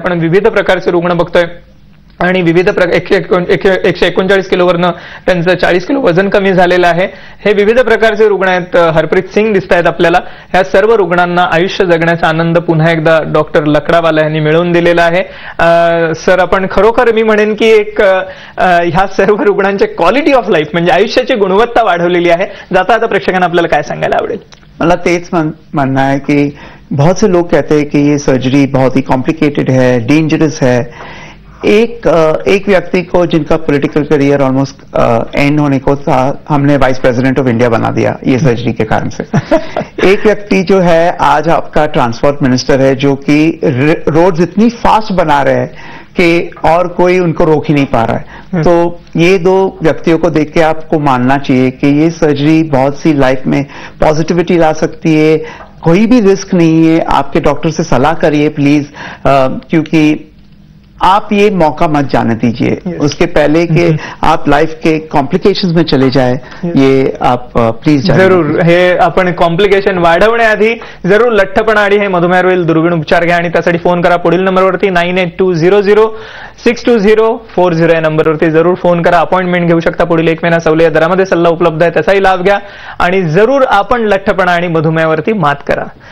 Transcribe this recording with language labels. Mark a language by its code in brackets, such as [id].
[mr] आपण विविध प्रकारचे रुग्ण बघतोय आणि विविध एकशे एकोणचाळीस किलोवरनं त्यांचं 40 किलो वजन कमी झालेलं आहे, हे विविध प्रकारचे रुग्ण आहेत, हरप्रीत सिंग दिसतायत आपल्याला, ह्या सर्व रुग्णांना आयुष्य जगण्याचा आनंद पुन्हा एकदा डॉक्टर लकडावाला यांनी मिळवून दिलेला आहे। सर, आपण खरोखर मी म्हणेन की एक ह्या सर्व रुग्णांचे क्वालिटी ऑफ लाईफ म्हणजे आयुष्याची गुणवत्ता वाढवलेली आहे, जाता आता प्रेक्षकांना आपल्याला काय सांगायला आवडेल? मला तेच म्हणणं आहे की [hi] बहुत से लोग कहते हैं कि ये सर्जरी बहुत ही कॉम्प्लिकेटेड है, डेंजरस है। एक व्यक्ति को जिनका पॉलिटिकल करियर ऑलमोस्ट एंड होने को था, हमने वाइस प्रेसिडेंट ऑफ इंडिया बना दिया ये सर्जरी के कारण से. एक व्यक्ति जो है आज आपका ट्रांसपोर्ट मिनिस्टर है, जो कि रोड्स इतनी फास्ट बना रहे हैं कि और कोई उनको रोक ही नहीं पा रहा है. तो ये दो व्यक्तियों को देख के आपको मानना चाहिए कि ये सर्जरी बहुत सी लाइफ में पॉजिटिविटी ला सकती है. कोई भी रिस्क नहीं है, आपके डॉक्टर से सलाह करिए प्लीज, क्योंकि आप ये मौका मत जाने दीजिए उसके पहले कि आप लाइफ के कॉम्प्लिकेशंस में चले जाए. ये आप प्लीज [mr] जरूर हे आपण कॉम्प्लिकेशन वाढवण्या आधी जरूर लठ्ठपणाडी हे मधुमेहावरील दुर्गुण उपचार घ्या आणि त्यासाठी फोन करा पुढील नंबरवरती 9820062040 या नंबरवरती जरूर फोन करा. अपॉइंटमेंट घेऊ शकता पुढील एक महिना सवलतीच्या दरामध्ये सल्ला उपलब्ध आहे त्याचाही लाभ घ्या आणि जरूर आपण लठ्ठपणा आणि मधुमेहावरती मात करा.